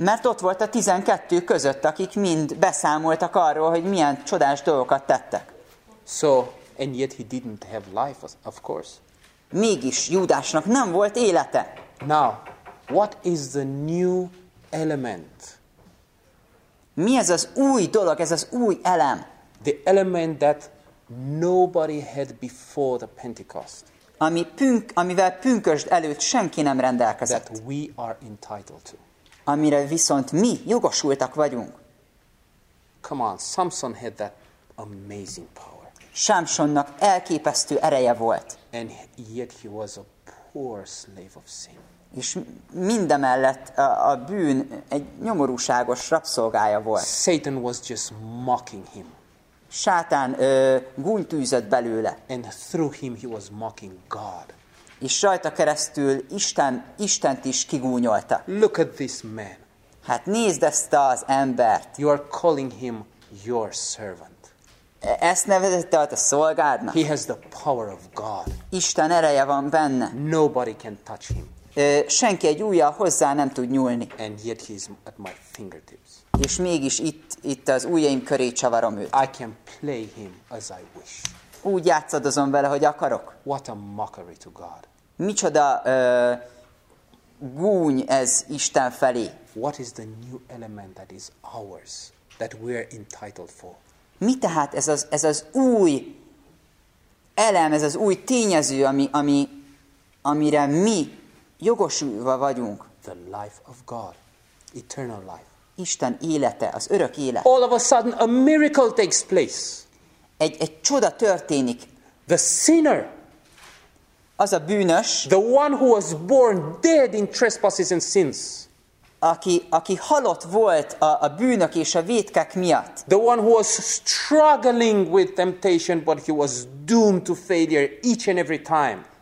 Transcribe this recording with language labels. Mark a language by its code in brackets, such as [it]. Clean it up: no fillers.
[hu] Mert ott volt a 12 között, akik mind beszámoltak arról, hogy milyen csodás dolgokat tettek. [en] So, and yet he didn't have life, of course. [hu] Mégis Júdásnak nem volt élete. [en] Now, what is the new element? [hu] Mi ez az új dolog, ez az új elem? [en] The element that nobody had before the Pentecost. [hu] Amivel pünkösd előtt senki nem rendelkezett. [en] That we are entitled to. [hu] Amire viszont mi jogosultak vagyunk. [en] Come on, Samson had that amazing power. [hu] Samsonnak elképesztő ereje volt. [en] And yet he was a poor slave of sin. [hu] És mindemellett a bűn egy nyomorúságos rabszolgája volt. [en] Satan was just mocking him. [hu] Sátán gúnytűzött belőle. [en] And through him he was mocking God. [hu] És rajta keresztül Istent is kigúnyolta. [en] Look at this man. [hu] Hát nézd ezt az embert. [en] You are calling him your servant. [hu] Ezt nevezette a szolgádnak. [en] He has the power of God. [hu] Isten ereje van benne. [en] Nobody can touch him. [hu] Senki egy ujjal hozzá nem tud nyúlni. [en] And yet he is at my fingertips. [hu] És mégis itt az ujjaim köré csavarom őt. [en] I can play him as I wish. [hu] Úgy játszadozom vele, hogy akarok. [en] What a mockery to God. [hu] Micsoda gúny ez Isten felé. [en] What is the new element that is ours, that we are entitled for? [hu] Mi tehát ez az új elem, ez az új tényező, amire mi jogosulva vagyunk. [en] The life of God, eternal life. [hu] Isten élete, az örök élet. [en] All of a sudden a miracle takes place. [hu] Egy csoda történik. [en] The sinner, [hu] az a bűnös, [en] the one who was born dead in trespasses and sins, [hu] aki halott volt a bűnök és a vétkek miatt. [en] The one who was struggling with temptation, but he was doomed to failure each and every time.